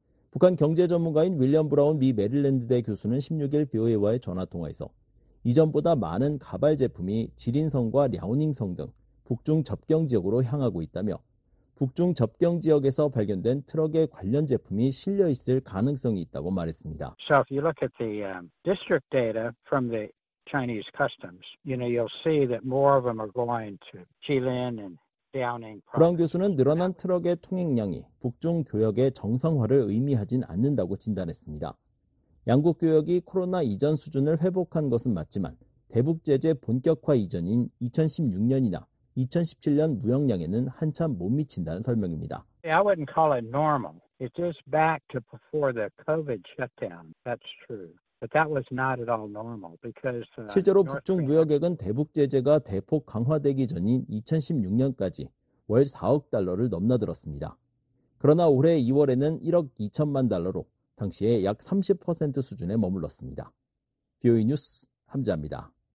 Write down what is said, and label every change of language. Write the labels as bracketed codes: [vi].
[ko] 북한 경제 전문가인 윌리엄 브라운 미 메릴랜드대 교수는 16일 BOA와의 전화통화에서 이전보다 많은 가발 제품이 지린성과 랴오닝성 등 북중 접경 지역으로 향하고 있다며 북중 접경 지역에서 발견된 트럭에 관련 제품이 실려 있을 가능성이 있다고 말했습니다. [en] So if you look at the district data from the Chinese customs, you know you'll see that more of them are going to Jilin and Liaoning. [ko] 브라운 교수는 늘어난 트럭의 통행량이 북중 교역의 정상화를 의미하진 않는다고 진단했습니다. 양국 교역이 코로나 이전 수준을 회복한 것은 맞지만 대북 제재 본격화 이전인 2016년이나 2017년 무역량에는 한참 못 미친다는 설명입니다. [en] I wouldn't call it normal. It is back to before the COVID shutdown. That's true. But that was not at all normal because [ko] 실제로 북중 무역액은 대북 제재가 대폭 강화되기 전인 2016년까지 월 4억 달러를 넘나들었습니다. 그러나 올해 2월에는 1억 2천만 달러로 당시에 약 30% 수준에 머물렀습니다. BOA 뉴스 함재합니다.